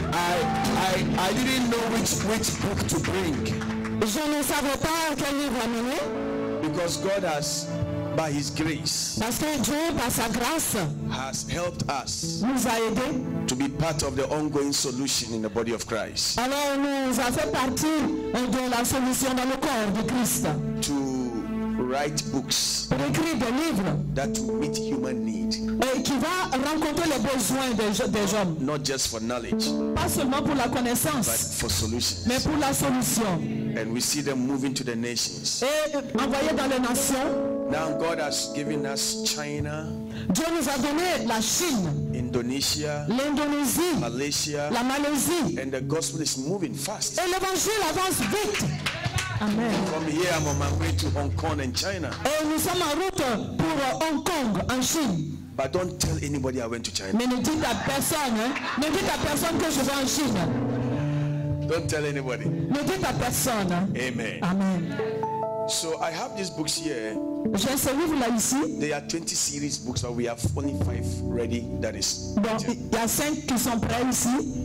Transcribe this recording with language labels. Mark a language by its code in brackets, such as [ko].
[en] I didn't know which book to bring. [fr] Je ne savais pas quel livre amener. [en] Because God has, by His grace, [fr] parce que Dieu, par sa grâce, [en] has helped us, [fr] nous a aidés, [en] to be part of the ongoing solution in the body of Christ. [fr] Alors nous a fait partie de la solution dans le corps de Christ. [en] To write books that meet human need. [fr] Qui va rencontrer les besoins des hommes. [en] Not just for knowledge. [fr] Pas seulement pour la connaissance. [en] But for solutions. [fr] Mais pour la solution. [en] And we see them moving to the nations. [fr] Et envoyés dans les nations. [en] Now God has given us China. [fr] Dieu nous a donné la Chine. [en] Indonesia. [fr] L'Indonésie. [en] Malaysia. [fr] La Malaisie. [en] And the gospel is moving fast. [fr] Et l'évangile avance vite. Amen. [en] From here I'm on my way to Hong Kong and China. [fr] Et nous sommes en route pour Hong Kong en Chine. [en] But don't tell anybody I went to China. [fr] Mais ne dites à personne que je vais en Chine. [en] Don't tell anybody. [fr] Ne dites à personne. Amen. Amen. [en] So I have these books here. [fr] J'ai ce livre là ici. [en] There are 20 series books, but we have only 5 ready. That is. [fr] Bon, il y a 5 qui sont prêts ici.